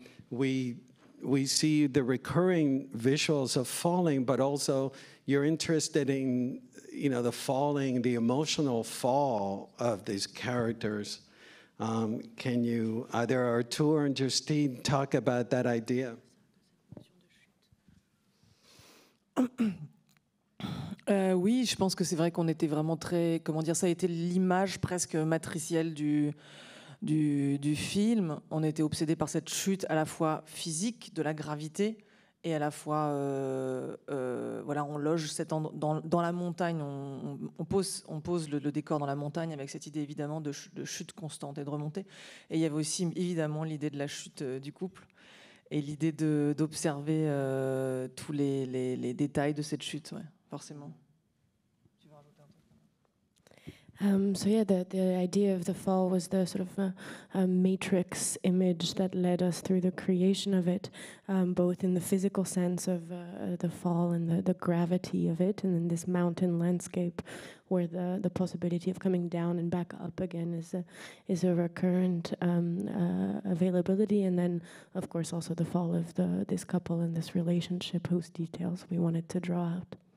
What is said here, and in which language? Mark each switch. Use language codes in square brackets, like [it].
[en] We see the recurring visuals of falling, but also you're interested in, you know, the falling, the emotional fall of these characters. Can you either Artur and Justine talk about that idea? [fr] Oui, je pense que c'est vrai qu'on était vraiment très, comment dire, ça a été l'image presque matricielle du film. On était obsédé par cette chute à la fois physique de la gravité et à la fois voilà, on loge cet dans la montagne, on pose le décor dans la montagne avec cette idée évidemment de chute constante et de remontée. Et il y avait aussi évidemment l'idée de la chute du couple et l'idée d'observer tous les détails de cette chute, ouais, forcément. [en] So yeah, the idea of the fall was the sort of a matrix image that led us through the creation of it, both in the physical sense of the fall and the gravity of it, and then this mountain landscape where the possibility of coming down and back up again is a recurrent availability, and then of course also the fall of this couple and this relationship whose details we wanted to draw out.